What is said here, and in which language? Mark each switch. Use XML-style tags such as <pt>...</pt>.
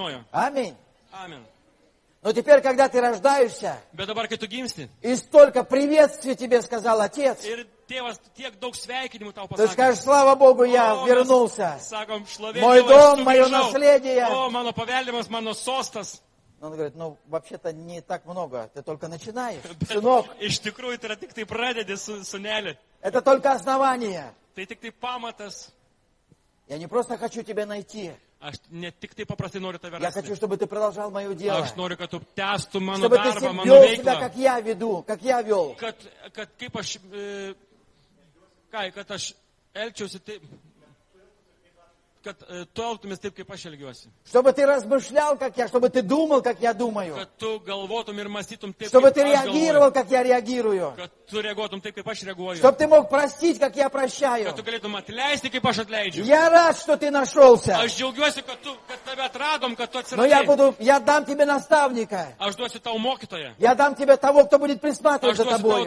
<ru>Аминь. Но теперь, когда ты рождаешься,</ru> <lt>dabar, tu gimsti,</lt> <ru>и столько приветствий тебе сказал отец,</ru> <lt>ir tėvas, tiek daug sveikinimų tau pasakė,</lt> <ru>ты скажешь, слава Богу, я вернулся.</ru> <lt>Sakom,</lt> <ru>мой дом, мое наследие.</ru> <lt>О, mano paveldimas, mano sostas.</lt> <ru>Он говорит, ну, вообще-то не так много, ты только начинаешь, сынок.</ru> <lt>Iš tikrųjų, tai yra tik tai pradedi, sūneli.</lt> <ru>Это только основание.</ru> <lt>Tai tik tai pamatas.</lt> <ru>Я не просто хочу тебя найти.</ru> <lt>Aš ne tik tai paprastai noriu tave rasti.</lt> <ru>Я хочу, чтобы ты продолжал мое дело.</ru> <lt>Aš noriu, kad tu tęstų mano</lt> <ru>чтобы</ru> <lt>darbą,</lt> <ru>ты мою веку. Себя, как я веду, как я вел.</ru> <lt>Kad kaip aš, kad aš elgčiausi taip, kad tu elgtumės taip, kaip aš elgiuosi.</lt> <ru>Чтобы ты размышлял, как я, чтобы ты думал, как я думаю.</ru> <lt>Kad tu galvotum ir mąstytum taip,</lt> <ru>чтобы</ru> <lt>kaip</lt> <ru>ты реагировал, как я реагирую.</ru> <lt>Kad tu reaguotum taip, kaip aš reaguoju.</lt> <ru>Чтобы ты мог простить, как я прощаю.</ru> <lt>Kad tu galėtum atleisti, kaip aš atleidžiu.</lt> <ru>Я рад, что ты нашелся.</ru> <lt>Aš džiaugiuosi, kad tu, kad tave atradom, kad tu atsiradai.</lt> <ru>Но я буду, я дам тебе наставника.</ru> <lt>Aš duosiu tau mokytoją.</lt> <ru>Я дам тебе того, кто будет присматривать за тобой.</ru>